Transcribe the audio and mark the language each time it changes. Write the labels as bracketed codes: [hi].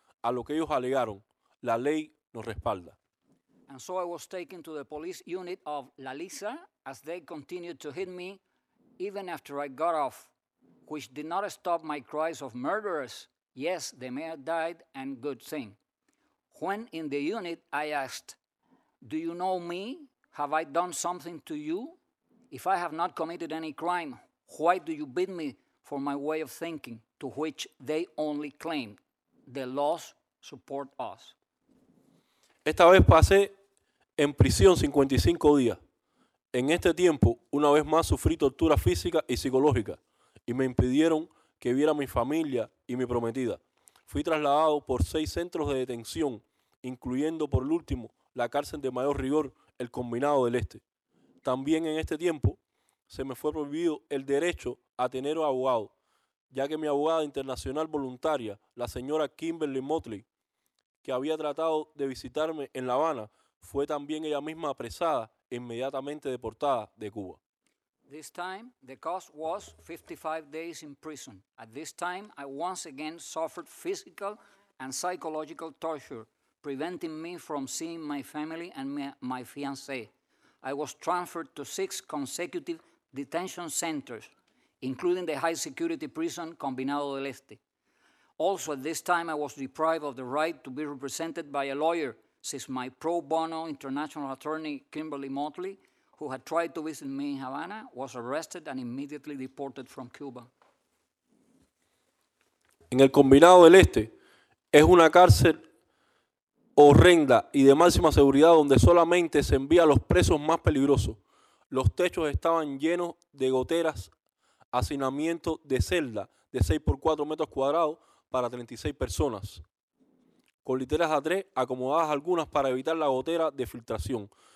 [es] A lo que ellos alegaron, la ley nos respalda. [en] And so I was taken to the police unit of La Lisa as they continued to hit me even after I got off, which did not stop my cries of murderers. Yes, the mayor died, and good thing. When in the unit, I asked, do you know me? Have I done something to you? If I have not committed any crime, why do you beat me for my way of thinking, to which they only claimed, the laws support us. [es] Esta vez pasé en prisión 55 días. En este tiempo, una vez más sufrí tortura física y psicológica, y me impidieron que viera a mi familia y mi prometida. Fui trasladado por 6 centros de detención, incluyendo por el último la cárcel de mayor rigor, el Combinado del Este. También en este tiempo se me fue prohibido el derecho a tener un abogado, ya que mi abogada internacional voluntaria, la señora Kimberly Motley, que había tratado de visitarme en La Habana, fue también ella misma apresada e inmediatamente deportada de Cuba. [en] This time, the cost was 55 days in prison. At this time, I once again suffered physical and psychological torture, preventing me from seeing my family and my fiancé. I was transferred to 6 consecutive detention centers, including the high security prison Combinado del Este. Also, at this time, I was deprived of the right to be represented by a lawyer, since my pro bono international attorney, Kimberly Motley, who had tried to visit me in Havana, was arrested and immediately deported from Cuba. [es] En el Combinado del Este es una cárcel horrenda y de máxima seguridad donde solamente se envía a los presos más peligrosos. Los techos estaban llenos de goteras, hacinamiento de celda de 6x4 metros cuadrados para 36 personas, con literas a 3 acomodadas algunas para evitar la gotera de filtración.